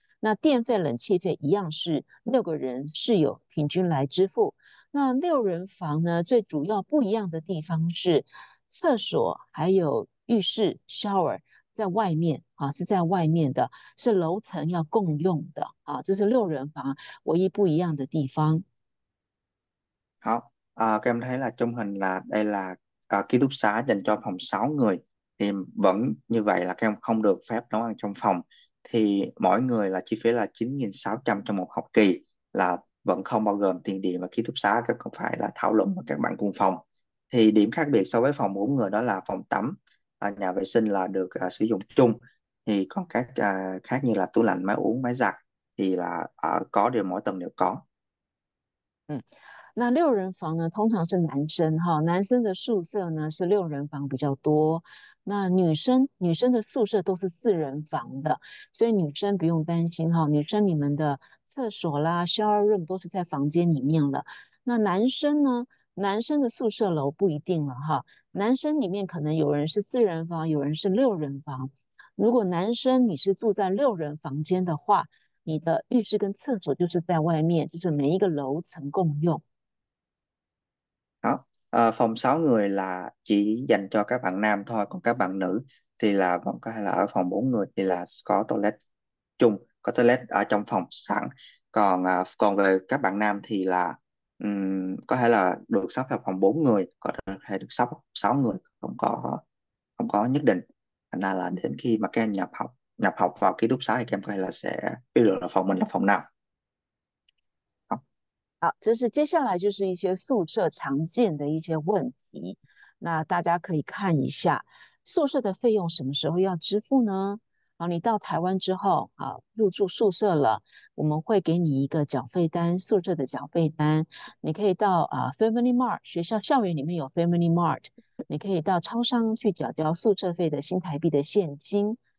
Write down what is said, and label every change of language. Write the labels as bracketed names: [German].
[Chinese] 那电费、冷气费一样是六个人室友平均来支付。那六人房呢，最主要不一样的地方是厕所还有浴室 shower。在外面啊，是在外面的，是楼层要共用的啊，这是六人房唯一不一样的地方。 [Vietnamese] 好，các em thấy là trong hình là đây là ký túc xá dành cho phòng 6 người, thì vẫn như vậy là các em không được phép nấu ăn trong phòng, thì mỗi người là chi phí là 9.600 cho một học kỳ, là vẫn không bao gồm tiền điện và ký túc xá, các không phải là thảo luận với các bạn cùng phòng. Thì điểm khác biệt so với phòng 4 người đó là phòng tắm, nhà vệ sinh là được sử dụng chung, thì còn các khác như là tủ lạnh, máy uống, máy giặt thì là có đều mỗi tầng đều có. [Chinese] 那六人房呢，通常是男生哈，男生的宿舍呢是六人房比较多。那女生的宿舍都是四人房的，所以女生不用担心哈。女生你们的厕所啦、 [English] shower room [Chinese] 都是在房间里面了。那男生呢，男生的宿舍楼不一定了哈。男生里面可能有人是四人房，有人是六人房。如果男生你是住在六人房间的话，你的浴室跟厕所就是在外面，就是每一个楼层共用。 [Vietnamese] Phòng 6 người là chỉ dành cho các bạn nam thôi, còn các bạn nữ thì là vẫn có, hay là ở phòng 4 người thì là có toilet chung, có toilet ở trong phòng sẵn. Còn còn về các bạn nam thì là có thể là được sắp vào phòng 4 người, có thể được sắp 6 người, không có nhất định. Thành ra là đến khi mà các em nhập học vào ký túc xá thì các em có thể là sẽ biết được là phòng mình là phòng nào. [Chinese] 好，这是接下来就是一些宿舍常见的一些问题，那大家可以看一下宿舍的费用什么时候要支付呢？好，你到台湾之后，好，入住宿舍了，我们会给你一个缴费单，宿舍的缴费单，你可以到Family Mart，学校校园里面有 Family Mart，你可以到超商去缴交宿舍费的新台币的现金。